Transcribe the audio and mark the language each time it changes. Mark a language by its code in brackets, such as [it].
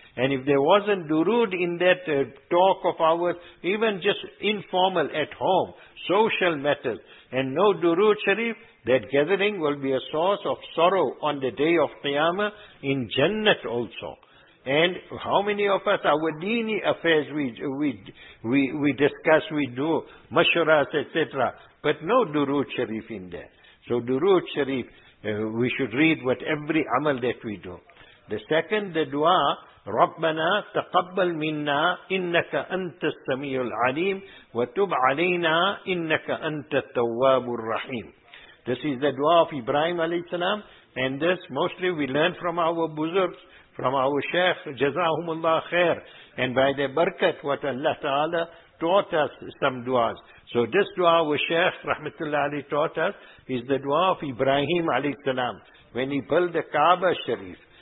[en] And if there wasn't Durood in that talk of ours, even just informal at home, social matters, and no Durood Sharif, that gathering will be a source of sorrow on the day of Qiyamah in Jannat also. And how many of us, our dini affairs we discuss, we do, mashuras, etc. But no Durood Sharif in there. So Durood Sharif, We should read what every amal that we do. The second, the dua, [ar] رَبَّنَا تَقَبَّلْ مِنَّا إِنَّكَ أَنْتَ السَّمِيعُ الْعَلِيمُ وَتُبْ عَلَيْنَا إِنَّكَ أَنْتَ التَّوَّابُ الرَّحِيمُ. [en] This is the dua of Ibrahim alayhi salam, and this mostly we learn from our buzurgs, from our shaykh, jazahumullah khair, and by the barakat what Allah Ta'ala taught us some duas. So this dua our shaykh rahmatullah alayhi taught us is the dua of Ibrahim alayhi salam when he built the Kaaba Sharif.